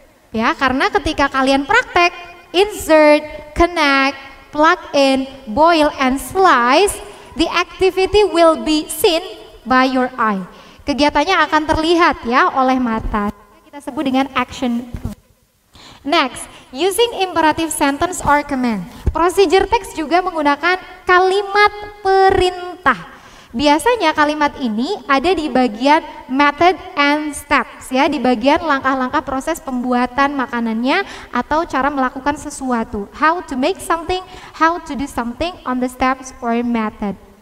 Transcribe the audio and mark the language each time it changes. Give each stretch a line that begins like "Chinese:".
Indonesian: Ya, karena ketika kalian praktek,
English: insert, connect, plug in, boil, and slice, the activity will be seen by your eye.
Indonesian: Kegiatannya akan terlihat ya oleh mata. Kita sebut dengan action verb.
English: Next, using imperative sentence or command. Procedure text
Indonesian: juga menggunakan kalimat perintah. Biasanya kalimat ini ada di bagian
English: method and steps,
Indonesian: ya, di bagian langkah-langkah proses pembuatan makanannya atau cara melakukan sesuatu.
English: How to make something, how to do something on the steps or method.